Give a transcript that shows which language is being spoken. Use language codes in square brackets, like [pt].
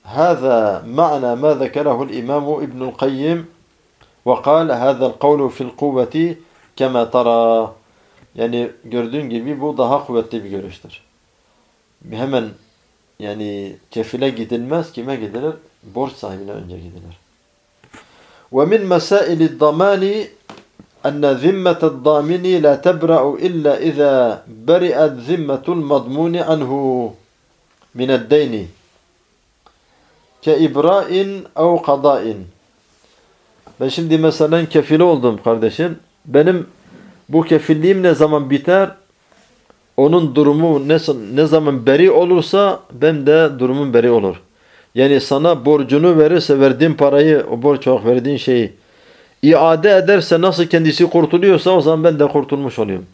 [ar] هَذَا مَعْنَى مَا ذَكَرَهُ الْإِمَامُ اِبْنُ الْقَيِّمِ وَقَالَ هَذَا الْقَوْلُ فِي الْقُوَّةِ كَمَا تَرَى. [tr] Yani gördüğün gibi bu daha kuvvetli bir görüştür. Hemen yani kefile gidilmez, kime gidilir? Borç sahibine önce gidilir. [ar] وَمِنْ مَسَائِلِ الضَّمَانِ أن ذمة الضامن لا تبرأ إلا إذا برئت ذمة المضمون عنه من الدين كإبراء أو قضاء. [tr] Ben şimdi mesela kefil oldum kardeşim. Benim bu kefilliğim ne zaman biter? Onun durumu ne zaman beri olursa ben de durumum beri olur. Yani sana borcunu verirse, verdiğin parayı, o borç olarak verdiğin şeyi İade ederse, nasıl kendisi kurtuluyorsa o zaman ben de kurtulmuş oluyorum.